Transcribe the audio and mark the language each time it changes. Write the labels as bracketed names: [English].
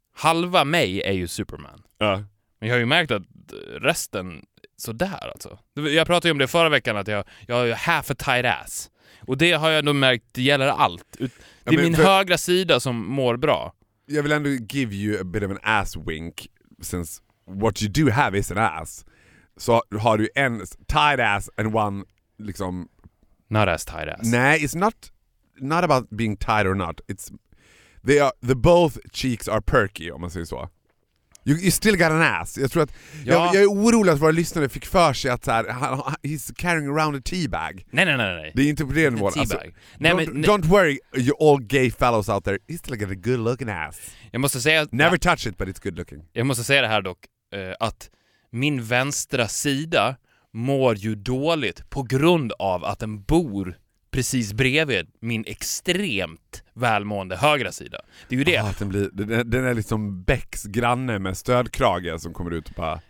[Swedish] Halva mig är ju Superman. Ja. Men jag har ju märkt att resten så där alltså. Jag pratade ju om det förra veckan att jag har ju [English] half a tight ass. [Swedish] Och det har jag nog märkt gäller allt. Det är högra sida som mår bra. Jag vill ändå [English] give you a bit of an ass wink. Since what you do have is an ass. [Swedish] Så har du en [English] tight ass and one [Swedish] liksom... [English] Not as tight ass. Nej, it's not about being tight or not. It's the both cheeks are perky, [Swedish] om man säger så. [English] You still got an ass. [Swedish] Jag tror att ja. jag är orolig att våra lyssnare fick för sig att så här, [English] he's carrying around a teabag. [Swedish] Nej. Det är inte på det nivån. Alltså, teabag. [English] Don't worry, you all gay fellows out there. He's still got a good looking ass. [Swedish] Jag måste säga... [English] Never touch it, but it's good looking. [Swedish] Jag måste säga det här dock, att... Min vänstra sida mår ju dåligt på grund av att den bor precis bredvid min extremt välmående högra sida. Det är ju det. Ah, den är liksom Bäcks granne med stödkrage som kommer ut och bara...